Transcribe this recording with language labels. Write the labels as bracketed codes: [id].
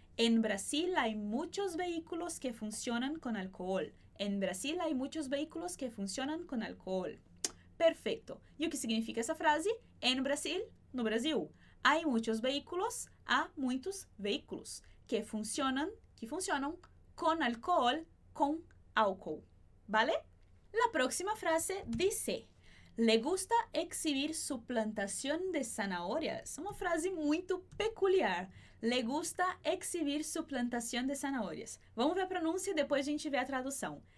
[es] En Brasil hay muchos vehículos que funcionan con alcohol. En Brasil hay muchos vehículos que funcionan con alcohol. [pt] Perfeito. E o que significa essa frase? [es] En Brasil, [pt] no Brasil. [es] Hay muchos vehículos, [pt] há muitos veículos. Que funcionam [es] con alcohol, [pt] com álcool. Vale? [es] La próxima frase dice: Le gusta exhibir su plantación de zanahorias. [pt] Uma frase muito peculiar. [es] Le gusta exhibir su plantación de zanahorias. [pt] Vamos ver a pronúncia e depois a gente vê a tradução.